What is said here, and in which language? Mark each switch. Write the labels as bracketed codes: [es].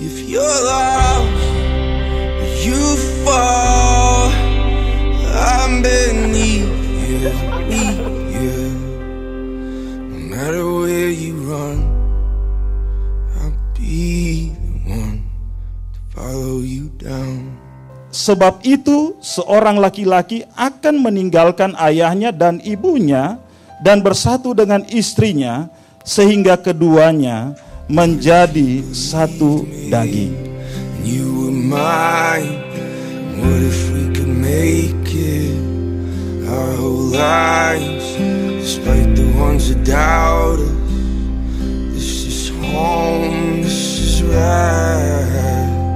[en] If you're lost, you fall, I'm beneath you, beneath you. No matter where you run, I'll be the one to follow you down. [id] Sebab itu seorang laki-laki akan meninggalkan ayahnya dan ibunya dan bersatu dengan istrinya sehingga keduanya menjadi satu daging. [en] You were mine. What if we could make it our whole lives? Despite the ones that doubt us, this is home, this is right.